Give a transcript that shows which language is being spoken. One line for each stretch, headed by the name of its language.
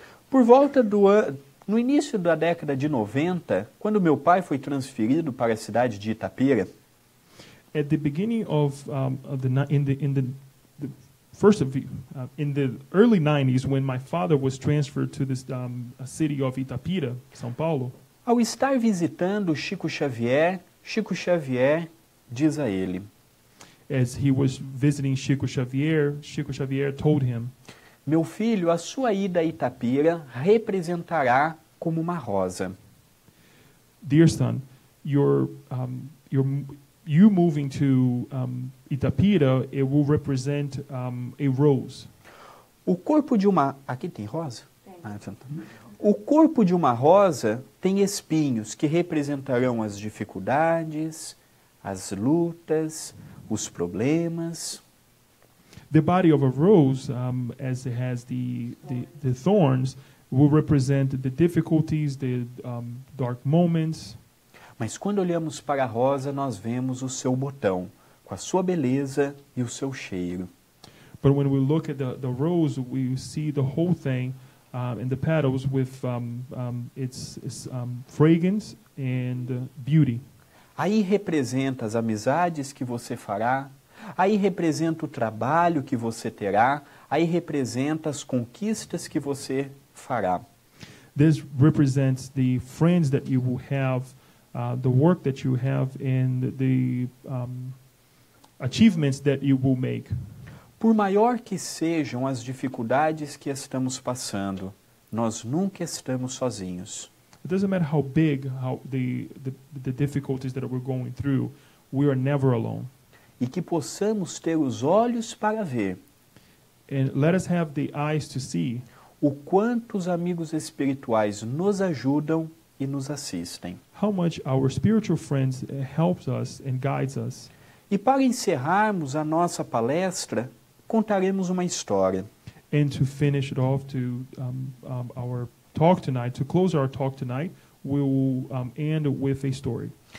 Portuguese: Por volta do no início da década de 90, quando meu pai foi transferido para a cidade de Itapira.
English: At the beginning of in the early 90s, when my father was transferred to this a city of Itapira, São Paulo.
Portuguese: Ao estar visitando Chico Xavier, Chico Xavier diz a ele.
English: As he was visiting Chico Xavier told him.
Portuguese: Meu filho, a sua ida a Itapira representará como uma rosa.
English: Dear son, you moving to Itapira, it will represent a rose.
Portuguese: O corpo de uma... Aqui tem rosa? Tem. O corpo de uma rosa tem espinhos que representarão as dificuldades, as lutas, os problemas.
English: The body of a rose, as it has the thorns, will represent the difficulties, the dark moments.
Portuguese: Mas quando olhamos para a rosa, nós vemos o seu botão, com a sua beleza e o seu cheiro.
English: But when we look at the rose, we see the whole thing in the petals with its fragrance and beauty.
Portuguese: Aí representa as amizades que você fará, aí representa o trabalho que você terá, aí representa as conquistas que você fará.
English: This represents the friends that you will have, the work that you have, and the achievements that you will make.
Portuguese: Por maior que sejam as dificuldades que estamos passando, nós nunca estamos sozinhos.
English: It doesn't matter how big how the difficulties that we're going through, we are never alone.
Portuguese: E que possamos ter os olhos para ver.
English: And let us have the eyes to see.
Portuguese: O quanto os amigos espirituais nos ajudam e nos assistem.
English: How much our spiritual friends helps us and guides us.
Portuguese: E para encerrarmos a nossa palestra, contaremos uma história.
English: And to finish it off to our talk tonight, to close our talk tonight, we will end with a story.